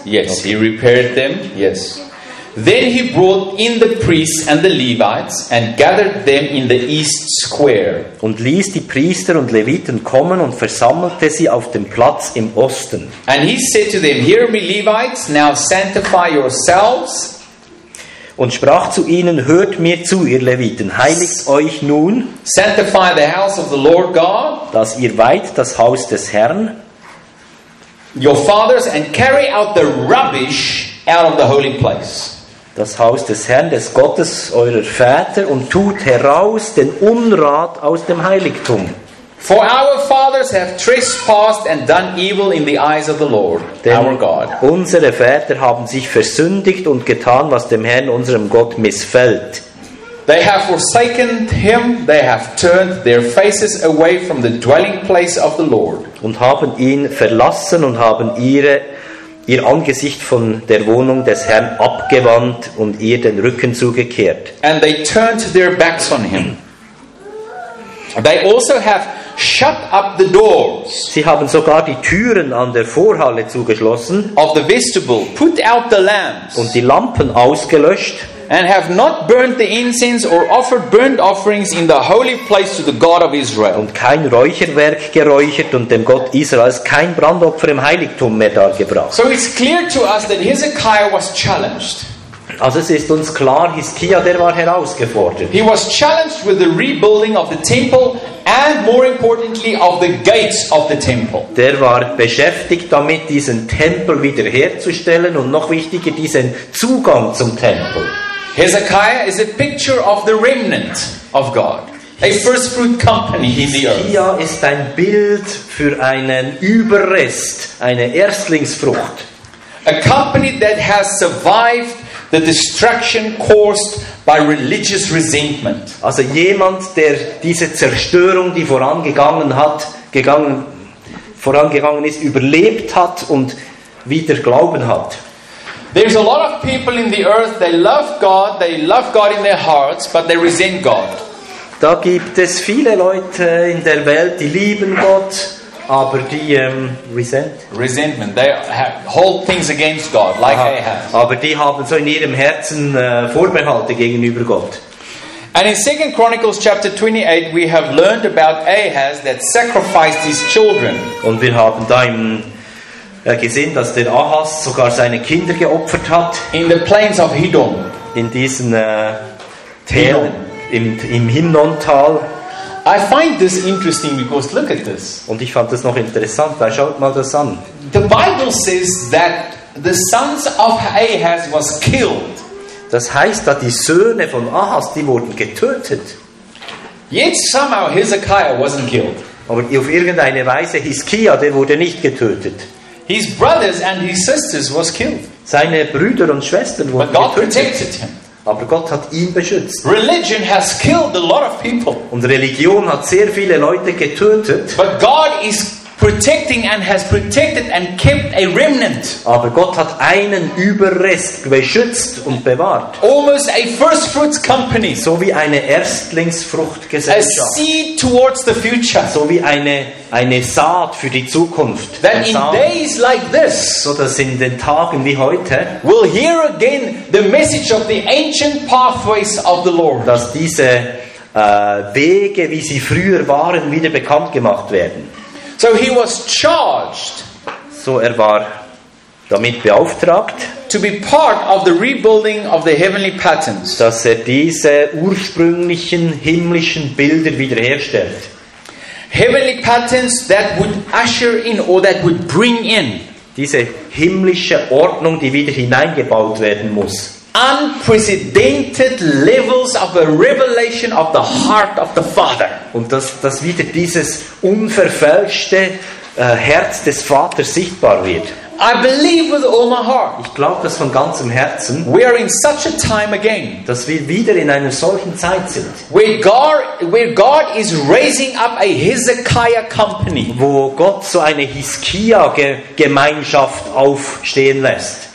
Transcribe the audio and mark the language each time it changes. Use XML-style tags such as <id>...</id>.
<en>Yes, okay. He repaired them. Yes. Then he brought in the priests and the Levites and gathered them in the east square.</en> <de>Und ließ die Priester und Leviten kommen und versammelte sie auf dem Platz im Osten.</de> <en>And he said to them, "Hear me, Levites, now sanctify yourselves."</en> <de>Und sprach zu ihnen, "Hört mir zu, ihr Leviten, heiligt euch nun."</de> <en>Sanctify the house of the Lord God.</en> <de>Dass ihr weiht das Haus des Herrn.</de> <en>Your fathers and carry out the rubbish out of the holy place.</en> <de>Das Haus des Herrn, des Gottes eurer Väter, und tut heraus den Unrat aus dem Heiligtum.</de> <en>For our fathers have trespassed and done evil in the eyes of the Lord,</en> <de>denn</de> <en>our God.</en> <de>Unsere Väter haben sich versündigt und getan, was dem Herrn, unserem Gott, missfällt.</de> <en>They have forsaken him, they have turned their faces away from the dwelling place of the Lord.</en> <de>Und haben ihn verlassen und haben ihr Angesicht von der Wohnung des Herrn abgewandt und ihr den Rücken zugekehrt.</de> <en>And they turned their backs on him. They also have shut up the doors.</en> <de>Sie haben sogar die Türen an der Vorhalle zugeschlossen.</de> <en>Of the vestibule, put out the lamps.</en> <de>Und die Lampen ausgelöscht.</de> <en>And have not burned the incense or offered burnt offerings in the holy place to the God of Israel.</en> <de>Und kein Räucherwerk geräuchert und dem Gott Israels kein Brandopfer im Heiligtum mehr dargebracht.</de> <en>So it's clear to us that Hezekiah was challenged.</en> <de>Also es ist uns klar, Hezekiah, der war herausgefordert.</de> <en>He was challenged with the rebuilding of the temple and more importantly of the gates of the temple. Der war beschäftigt damit, diesen Tempel wiederherzustellen und noch wichtiger, diesen Zugang zum Tempel. Hezekiah is a picture of the remnant of God. A first fruit company in the earth.</en> <de>Hezekiah ist ein Bild für einen Überrest, eine Erstlingsfrucht.</de> <en>A company that has survived the destruction caused by religious resentment.</en> <de>Also jemand, der diese Zerstörung, die vorangegangen ist, überlebt hat und wieder Glauben hat.</de> <en>There's a lot of people in the earth, they love God in their hearts, but they resent God.</en> <de>Da gibt es viele Leute in der Welt, die lieben Gott, aber die</de> <en>Resentment. They hold things against God, like Ahaz.</en> <de>Aber die haben so in ihrem Herzen Vorbehalte gegenüber Gott.</de> <en>And in 2 Chronicles chapter 28, we have learned about Ahaz that sacrificed his children.</en> <de>Und wir haben da im gesehen, dass der Ahaz sogar seine Kinder geopfert hat.</de> <en>In the plains of Hiddon.</en> <de>In diesen Tälern, im Himnontal.</de> <en>I find this interesting because look at this.</en> <de>Und ich fand das noch interessant, weil schaut mal das an.</de> <en>The Bible says that The sons of Ahaz was killed.</en> <de>Das heißt, dass die Söhne von Ahaz, die wurden getötet.</de> <en>Yet somehow Hezekiah wasn't killed.</en> <de>Aber auf irgendeine Weise Hiskia, der wurde nicht getötet.</de> <en>His brothers and his sisters was killed.</en> <de>Seine Brüder und Schwestern wurden getötet.</de> <en>But God protected him.</en> <de>Aber Gott hat ihn beschützt.</de> <en>Religion has killed a lot of people.</en> <de>Und Religion hat sehr viele Leute getötet.</de> <en>But God is protecting and has protected and kept a remnant.</en> <de>Aber Gott hat einen Überrest beschützt und bewahrt.</de> <en>Almost a first fruits company.</en> <de>So wie eine Erstlingsfruchtgesellschaft.</de> <en>A seed towards the future.</en> <de>So wie eine Saat für die Zukunft.</de> <en>That in days like this,</en> <de>so dass in den Tagen wie heute,</de> <en>we'll hear again the message of the ancient pathways of the Lord.</en> <de>Dass diese Wege, wie sie früher waren, wieder bekannt gemacht werden.</de> <en>So he was charged.</en> <de>So er war damit beauftragt,</de> <en>to be part of the rebuilding of the heavenly patterns.</en> <de>Dass er diese ursprünglichen himmlischen Bilder wiederherstellt.</de> <en>Heavenly patterns that would usher in or that would bring in.</en> <de>Diese himmlische Ordnung, die wieder hineingebaut werden muss.</de> <en>Unprecedented levels of a revelation of the heart of the Father.</en> <de>Und dass wieder dieses unverfälschte Herz des Vaters sichtbar wird.</de> <en>I believe with all my heart.</en> <de>Ich glaube das von ganzem Herzen.</de> <en>We are in such a time again.</en> <de>Dass wir wieder in einer solchen Zeit sind.</de> <en>Where God is raising up a Hezekiah company.</en> <de>Wo Gott so eine Hiskia Gemeinschaft aufstehen lässt.</de>